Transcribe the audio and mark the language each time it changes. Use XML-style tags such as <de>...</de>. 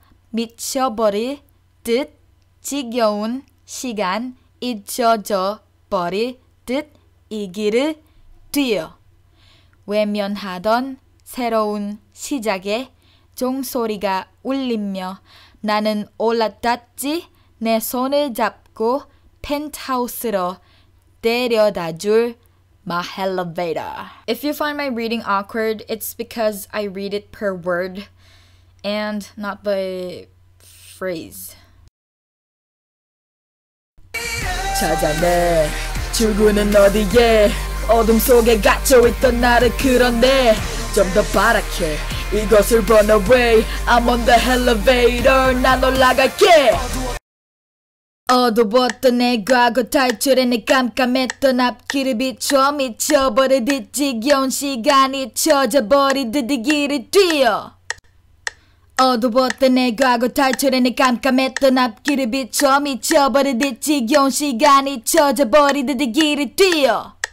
<ko>미쳐버릴 듯 지겨운 시간 잊혀져 버릴 듯 이 길을 뛰어 외면하던 새로운 시작에 종소리가 울리며 나는 올라탔지 내 손을 잡고 펜트하우스로 데려다줄</ko> <en>my elevator. If you find my reading awkward, it's because I read it per word and not by phrase.</en> <ko>찾아내 출구는 어디에 어둠 속에 갇혀있던 나를 그런데 좀 더 바라게 이것을</ko> <en>run away I'm on the elevator</en> <ko>난 올라갈게 어두웠던 내 과거 탈출해 내 깜깜했던 앞길을 비춰 미쳐버릴 듯 지겨운 시간이 쳐져버릴 듯 이 길을 뛰어 어두웠던 내 과거 탈출해 내 깜깜했던 앞길을 비춰 미쳐버릴 듯 지겨운 시간이 쳐져버릴 듯 이 길을 뛰어</ko>